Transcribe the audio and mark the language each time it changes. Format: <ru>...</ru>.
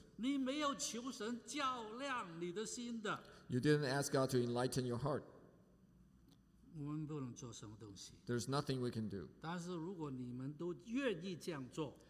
<zh>你没有求神照亮你的心的。</zh> <en>You didn't ask God to enlighten your heart.</en> <zh>我们不能做什么东西。</zh> <en>There's nothing we can do.</en> <zh>但是如果你们都愿意这样做。</zh>